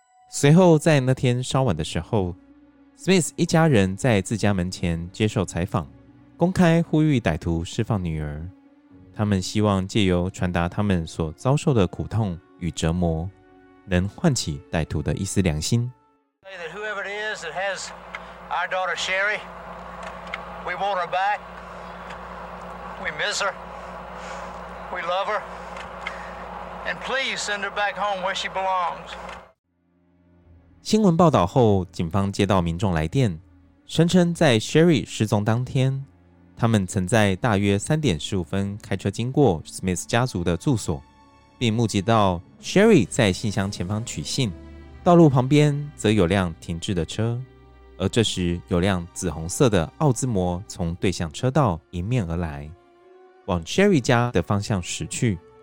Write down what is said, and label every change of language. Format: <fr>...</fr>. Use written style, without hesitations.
<zh>随后在那天稍晚的时候， Smith 一家人在自家门前接受采访，公开呼吁歹徒释放女儿。他们希望借由传达他们所遭受的苦痛与折磨，能唤起歹徒的一丝良心。</zh> <en>Whoever it is that has our daughter Sherry, we want her back. We miss her. We love her. And please send her back home where she belongs.</en> <zh>新闻报道后，警方接到民众来电，声称在 Sherry 失踪当天，他们曾在大约3:15开车经过 Smith 家族的住所，并目击到 Sherry 在信箱前方取信。道路旁边则有辆停滞的车，而这时有辆紫红色的奥兹摩从对向车道迎面而来，往 Sherry 家的方向驶去。</zh>